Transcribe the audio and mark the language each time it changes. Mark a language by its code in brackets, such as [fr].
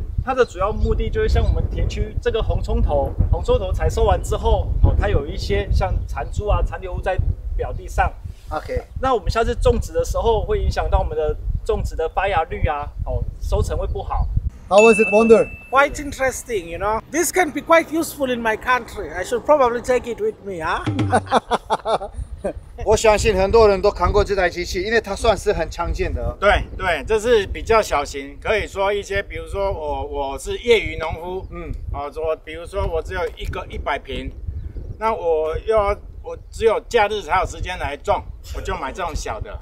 [zh] 它的主要目的就是像我们田区这个红葱头采收完之后，它有一些像残株啊、残留物在表地上。 OK，那我们下次种植的时候会影响到我们的种植的发芽率啊，收成会不好。 [en] How was it, Wonder? Quite interesting, you know. This can be quite useful in my country. I should probably take it with me, 啊。 [zh] 我相信很多人都看过这台机器，因为它算是很常见的。对对，这是比较小型，可以说一些，比如说我是业余农夫，比如说我只有一个100坪，那我只有假日才有时间来种，我就买这种小的，